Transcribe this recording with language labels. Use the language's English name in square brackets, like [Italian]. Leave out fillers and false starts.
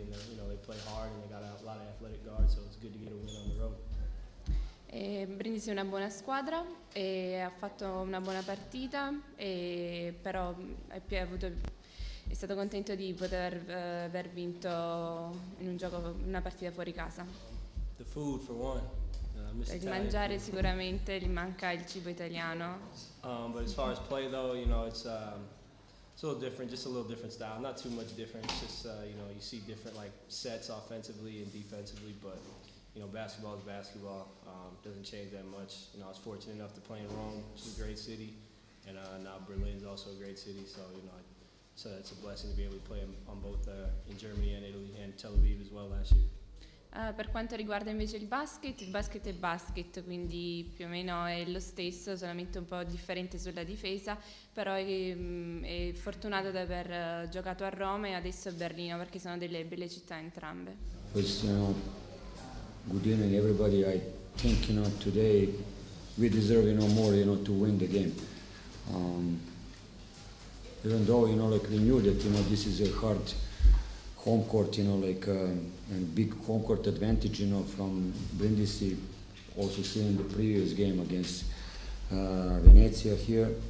[English] And, you know, they play hard and they got a lot of athletic guards. So it's good to get a win on the road. [Italian] Brindisi è una buona squadra e ha fatto una buona partita, e però è stato contento di poter aver vinto in un gioco, una partita fuori casa. [English] The food for one. [Italian] Il mangiare sicuramente gli manca il cibo italiano. [English] But as far as play though, you know, it's a little different, just a little different style, not too much different, just you know, you see different like sets offensively and defensively, but you know, basketball is basketball. Doesn't change that much. You know, I was fortunate enough to play in Rome, which is a great city, and now Berlin is also a great city. So you know, so it's a blessing to be able to play on both in Germany and Italy and Tel Aviv as well last year. [Italian] Per quanto riguarda invece il basket è basket, quindi più o meno è lo stesso, solamente un po' differente sulla difesa, però è fortunato di aver giocato a Roma e adesso a Berlino, perché sono delle belle città entrambe. [English] Good evening, everybody. I think, you know, today we deserve, you know, more, you know, to win the game. Even though, you know, like we knew that, you know, this is a hard home court, you know, like a big home court advantage, you know, from Brindisi, also seeing the previous game against Venezia here.